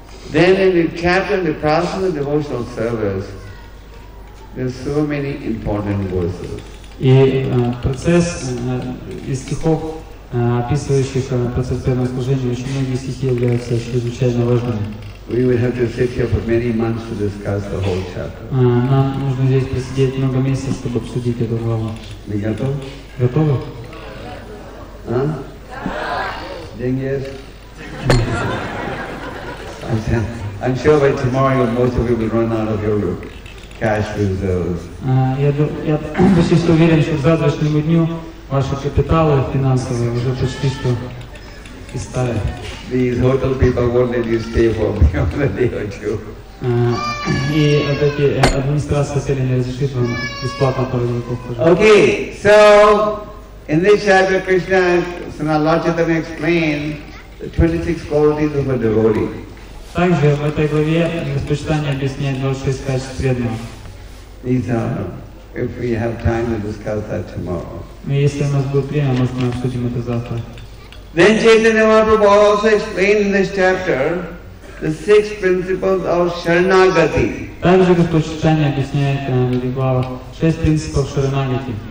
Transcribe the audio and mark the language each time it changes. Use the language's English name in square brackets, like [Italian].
[English] Then in the chapter, the process of devotional service, there are so many important verses. [Russian] Описывающих процесс преданного служения, очень многие стихи являются чрезвычайно важными. Нам нужно здесь просидеть много месяцев, чтобы обсудить эту главу. Вы готовы? Готовы? А? Деньги есть? [English] I'm sure by tomorrow most of you will run out of your cash reserves. [Russian] Я почти что уверен, что к завтрашнему дню ваши капиталы финансовые уже почти что и стали. [English] These hotel people won't let you stay for a day or two. [Russian] И эти администрации хотели не разрешить вам бесплатно пользоваться. [English] Okay, so in this chapter, Krishna Sanatana Chaitanya explained the 26 qualities of a devotee. [Russian] Также в этой главе Господь Чайтанья объясняет 26 качеств преданного. [English] These are, if we have time to discuss that tomorrow. [Russian] Если у нас будет время, может, мы обсудим это завтра. [English] Then Chaitanya Mahaprabhu also explained in this chapter the six principles of Sharanagati. [Russian] Также Господь Чайтанья объясняет в этих главах шесть принципов Шаранагати.